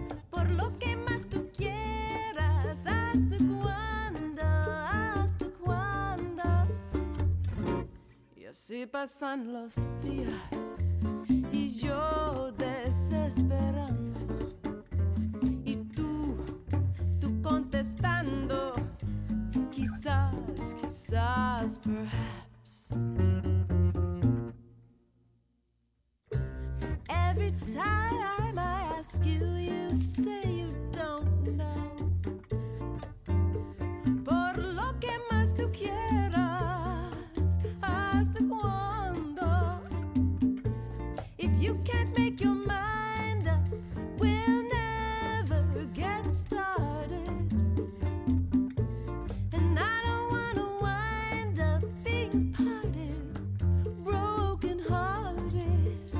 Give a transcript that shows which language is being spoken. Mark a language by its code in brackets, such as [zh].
[es] Por lo que más tú quieras, hasta cuando, y así pasan los días, y yo desesperando, y tú, tú contestando, quizás, quizás, [en] perhaps. Every time I ask you, you say you don't know. [es] Por lo que más tú quieras, hasta cuando. [en] If you can't make your mind up, we'll never get started. And I don't want to wind up being parted, broken hearted.